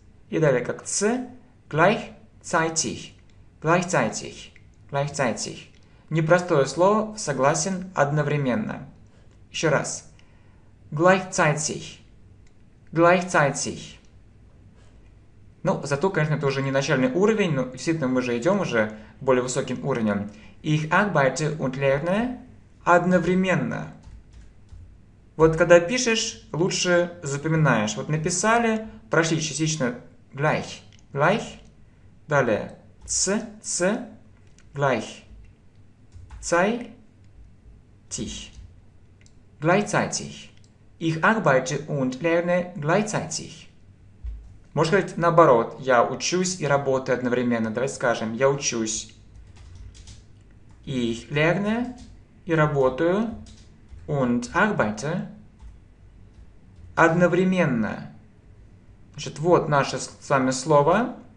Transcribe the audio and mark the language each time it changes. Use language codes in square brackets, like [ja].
[ru] И далее как c. [de] Gleichzeitig. Gleichzeitig. Gleichzeitig. [ru] Непростое слово, согласен, одновременно. Еще раз. [de] Gleichzeitig. Gleichzeitig. [ru] Ну, зато, конечно, это уже не начальный уровень, но действительно мы же идем уже более высоким уровнем. [de] Ich arbeite und lerne [ru] одновременно. Вот когда пишешь, лучше запоминаешь. Вот написали, прошли частично gleich. [de] Gleich. [ru] Далее. [de] C, C. Gleich. Zeitig. Gleichzeitig. Ich arbeite und lerne gleichzeitig. [ru] Можно сказать наоборот, я учусь и работаю одновременно. Давайте скажем, я учусь. [de] Ich lerne [ru] и работаю [de] und arbeite [ru] одновременно. Значит, вот наше с вами слово.